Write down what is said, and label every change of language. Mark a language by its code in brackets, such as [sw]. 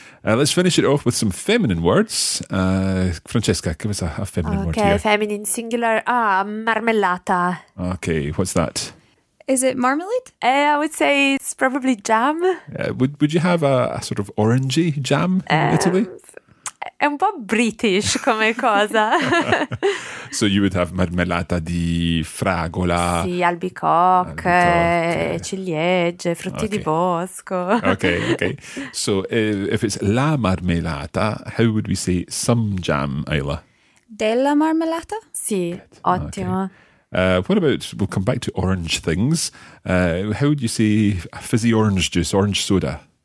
[en] Let's finish it off with some feminine words. Francesca, give us a feminine word here. Okay, feminine singular. Ah, marmellata. Okay, what's that? Is it marmalade? I would say it's probably jam. Would you have a sort of orangey jam in Italy? [it] È un po' British come cosa. [en] So you would have [it] marmellata di fragola. Sì, albicocche, ciliegie, frutti di bosco. [en] Okay. So if it's la marmellata, how would we say some jam, Ayla? [it] Della marmellata? [en] Sì, good. Ottimo. Okay. What about, we'll come back to orange things. How would you say fizzy orange juice, orange soda?